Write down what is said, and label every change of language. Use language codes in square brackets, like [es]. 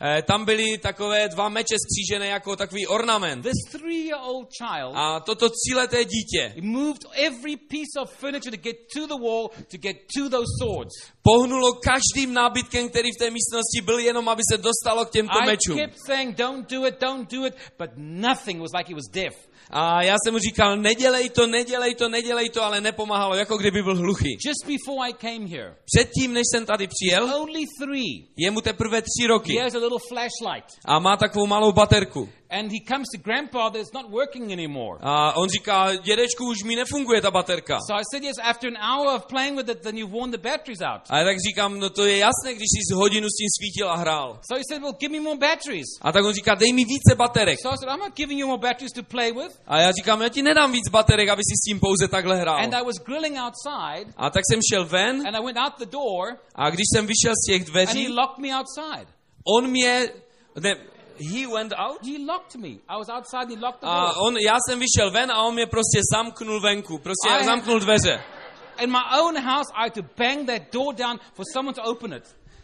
[cs] Tam byly takové dva meče skřížené jako takový ornament. [en] This 3-year old child. [cs] A toto 3leté dítě. [en] He moved every piece of furniture to get to the wall to get to those swords. [cs] Pohnulo každým nábytkem, který v té místnosti byl, jenom aby se dostalo k těmto mečům. [en] I kept saying, don't do it, but nothing was like he was deaf. [cs] A já jsem mu říkal, nedělej to, ale nepomáhalo, jako kdyby byl hluchý. [en] Just before I came here. [cs] Předtím, než jsem tady přijel, [en] only 3. [cs] Je mu teprve 3 roky. [en] He has a little flashlight. [cs] A má takovou malou baterku. [en] And he comes to grandpa that it's not working anymore. [cs] A on říká, dědečku, už mi nefunguje ta baterka. [en] So I said, yes, after an hour of playing with it, then you've worn the batteries out. [cs] A tak říkám, no to je jasné, když jsi hodinu s tím svítil a hrál. [en] So he said, well, give me more batteries. [cs] A tak on říká, dej mi více baterek. [en] So I said, I'm not giving you more batteries to play with. [cs] A já říkám, já ti nedám víc baterek, aby si s tím pouze takhle hrál. [en] And I was grilling outside. [cs] A tak jsem šel ven. [en] And I went out the door. [cs] A když jsem vyšel z těch dveří. [en] And he locked me outside. [cs] On mě, ne, [en] he went out. He locked me. I was outside. He locked the door. [cs] Já jsem vyšel ven a on mě prostě zamknul venku. Prostě zamknul dveře. [en] In my own house, I had to bang that door down for someone to open it.